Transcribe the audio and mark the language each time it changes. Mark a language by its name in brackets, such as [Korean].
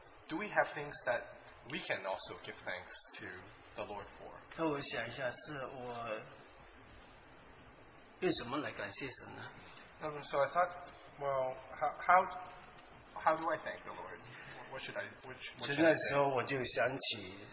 [English] Do we have things that we can also give thanks to the Lord for? [Chinese] 那我想一下，是我用什么来感谢神呢？ [English] So I thought, well, how do I thank the Lord? What should I say?